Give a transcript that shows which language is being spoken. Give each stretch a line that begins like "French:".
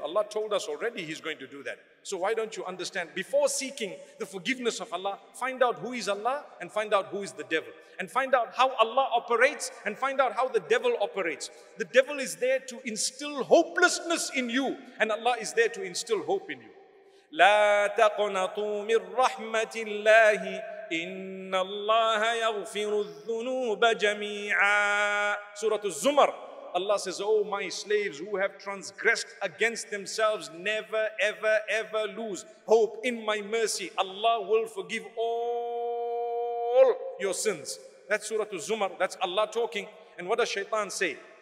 English: Allah told us already He's going to do that. So why don't you understand? Before seeking the forgiveness of Allah, find out who is Allah and find out who is the devil. And find out how Allah operates and find out how the devil operates. The devil is there to instill hopelessness in you and Allah is there to instill hope in you.
Arabic: لا تقنطوا من رحمة الله إن الله يغفر الذنوب جميعا.
English: Surah Az-Zumar. Allah says, oh my slaves who have transgressed against themselves, never, ever, ever lose hope in my mercy. Allah will forgive all your sins. That's Surah Az-Zumar. That's Allah talking. And what does Shaitan say?